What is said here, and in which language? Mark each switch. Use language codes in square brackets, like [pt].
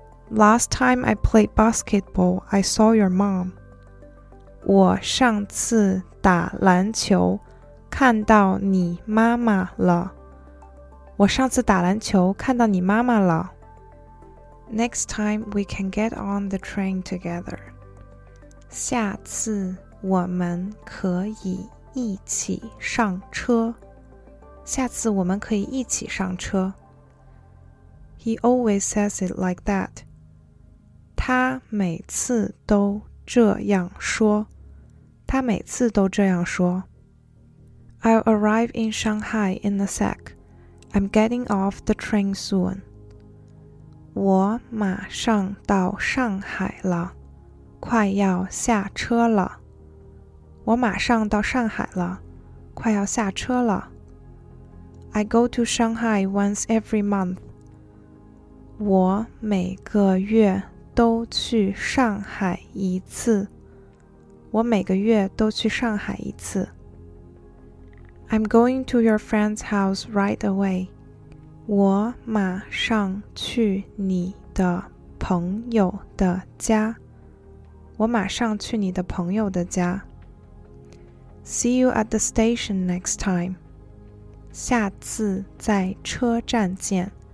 [en] Last time I played basketball, I saw your mom. [zh] 我上次打篮球，看到你妈妈了。我上次打篮球，看到你妈妈了。 [en] Next time we can get on the train together. [zh] 下次我们可以一起上车。下次我们可以一起上车。 [en] He always says it like that. [zh] 他每次都这样说。他每次都这样说。 [en] I'll arrive in Shanghai in a sec. I'm getting off the train soon. [zh] 我马上到上海了，快要下车了。我马上到上海了，快要下车了。 [en] I go to Shanghai once every month. [zh] 我每个月都去上海一次。我每个月都去上海一次。 [en] I'm going to your friend's house right away. [zh] 我马上去你的朋友的家。我马上去你的朋友的家。 [en] See you at the station next time. [zh] 下次在车站见。